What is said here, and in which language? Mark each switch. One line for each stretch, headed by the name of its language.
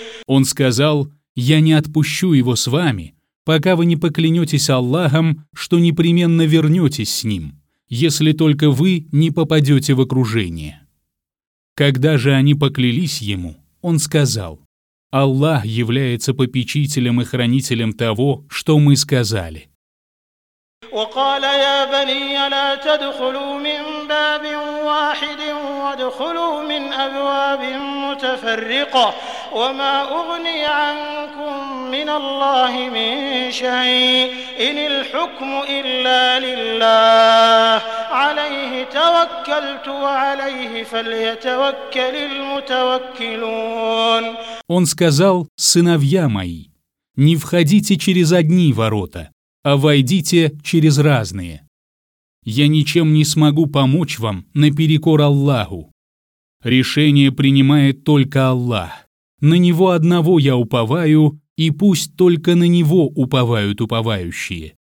Russian: Он сказал: «Я не отпущу его с вами, пока вы не поклянетесь Аллахом, что непременно вернетесь с ним, если только вы не попадете в окружение». Когда же они поклялись ему, он сказал: «Аллах является попечителем и хранителем того, что мы сказали».
Arabic: وقال يا بني لا تدخلوا من باب واحد وادخلوا من أبواب متفرقة وما أغني عنكم من الله من شيء إن الحكم إلا لله عليه توكلت وعليه فليتوكل المتوكلون.
Russian: Он сказал: «Сыновья мои, не входите через одни ворота, а войдите через разные. Я ничем не смогу помочь вам наперекор Аллаху. Решение принимает только Аллах. На Него одного я уповаю, и пусть только на Него уповают уповающие».